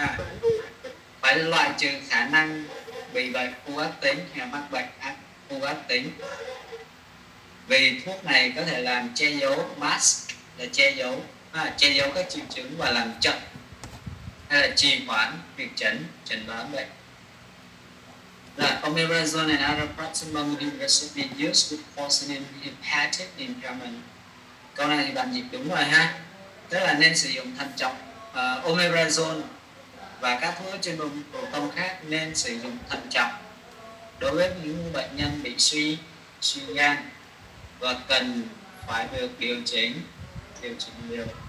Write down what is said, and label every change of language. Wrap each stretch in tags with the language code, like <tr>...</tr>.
<vi>À, phải loại trừ khả năng bị bệnh u ác tính hay mắc bệnh u ác tính vì thuốc này có thể làm che giấu mask là che giấu các triệu chứng và làm chậm hay là trì hoãn việc chẩn đoán bệnh.</vi> <en>Là omeprazole and allopurinol should be used with caution in hepatic impairment.</en> <vi>Câu này thì bạn dịch đúng rồi ha, tức là nên sử dụng thận trọng omeprazole và các thuốc trên bơm nội tông khác nên sử dụng thận trọng đối với những bệnh nhân bị suy gan và cần phải được điều chỉnh liều.</vi>